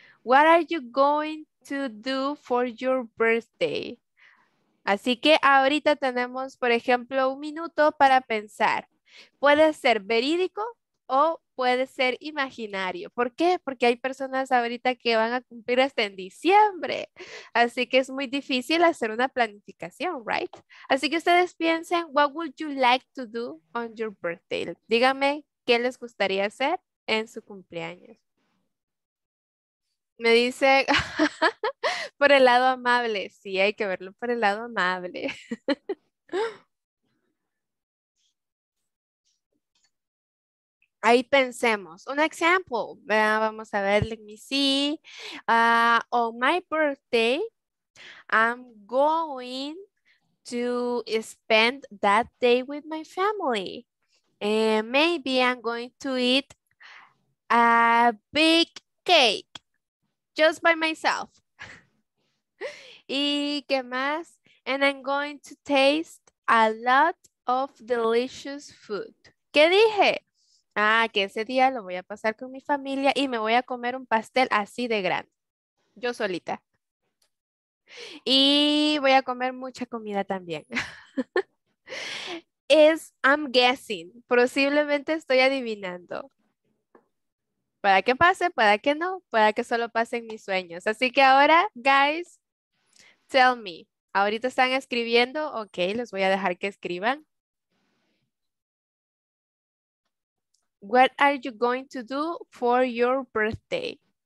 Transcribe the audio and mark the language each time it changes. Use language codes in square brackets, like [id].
[en] What are you going to do for your birthday? [es] Así que ahorita tenemos, por ejemplo, un minuto para pensar. Puede ser verídico o puede ser imaginario. ¿Por qué? Porque hay personas ahorita que van a cumplir hasta en diciembre. Así que es muy difícil hacer una planificación, right? Así que ustedes piensen, [en] what would you like to do on your birthday? [es] Díganme, ¿qué les gustaría hacer en su cumpleaños? Me dice, por el lado amable. Sí, hay que verlo por el lado amable. Ahí pensemos. Un ejemplo. Vamos a ver. [en] Let me see. On my birthday, I'm going to spend that day with my family. And maybe I'm going to eat a big cake just by myself. [es] ¿Y qué más? [en] And I'm going to taste a lot of delicious food. [es] ¿Qué dije? Ah, que ese día lo voy a pasar con mi familia y me voy a comer un pastel así de grande, yo solita. Y voy a comer mucha comida también. Es, [en] I'm guessing, [es] posiblemente estoy adivinando. Para que pase, para que no, para que solo pasen mis sueños. Así que ahora, guys, [en] tell me. [es] Ahorita están escribiendo, ok, los voy a dejar que escriban. [en] What are you going to do for your birthday?